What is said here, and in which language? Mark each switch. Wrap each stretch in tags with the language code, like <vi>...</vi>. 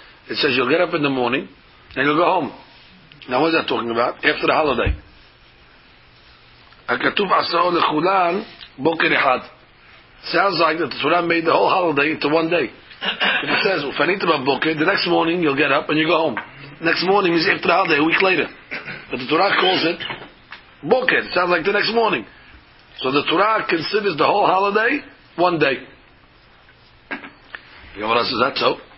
<en>It says you'll get up in the morning and you'll go home. Now what is that talking about? After the holiday.</en> <he>הכתוב עשהו לכולן בוקר אחד.</he> <en>Sounds like that the Torah made the whole holiday into one day. If it says,</en> <he>ufanita b'boker,</he> <en>the next morning you'll get up and you go home. Next morning is after the holiday, a week later. But the Torah calls it boker. Sounds like the next morning. So the Torah considers the whole holiday one day. The Gemara says, that's so.</en>